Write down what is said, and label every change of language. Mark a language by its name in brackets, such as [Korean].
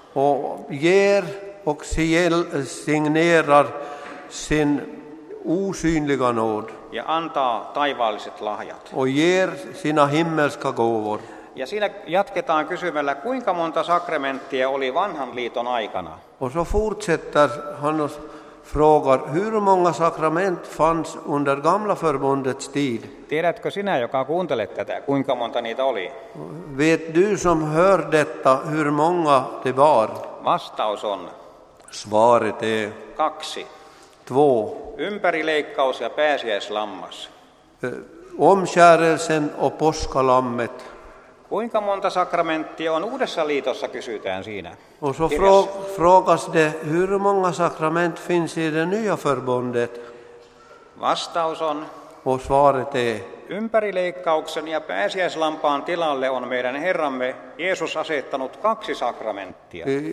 [Swedish] Och ger och signerar sin osynliga nåd. [Finnish] ja antaa taivaalliset lahjat. [Swedish] Och ger sina himmelska gåvor. [Finnish] Ja siinä jatketaan kysymällä, kuinka monta sakramenttia oli vanhan liiton aikana. [Swedish] Och så fortsätter han och frågar, hur många sakrament fanns under gamla förbundets tid? [Finnish] Tiedätkö sinä, joka kuuntelet tätä, kuinka monta niitä oli? [Swedish] Vet du som hör detta, hur många det var? [Finnish] Vastaus on. [Swedish] Svaret är. [Finnish] 2. [Swedish] 2. [Finnish] Ympärileikkaus ja pääsiäislammas. [Swedish] Omskärelsen och påskalammet. [Finnish] Kuinka monta sakramenttia on uudessa liitossa, kysytään siinä. [Swedish] Och så frågas det, hur många sakrament finns i det nya förbundet? [Finnish] Vastaus on. [Swedish] Och svaret är. [Finnish] Ympärileikkauksen ja pääsiäislampaan tilalle on meidän Herramme Jeesus asettanut 2 sakramenttia.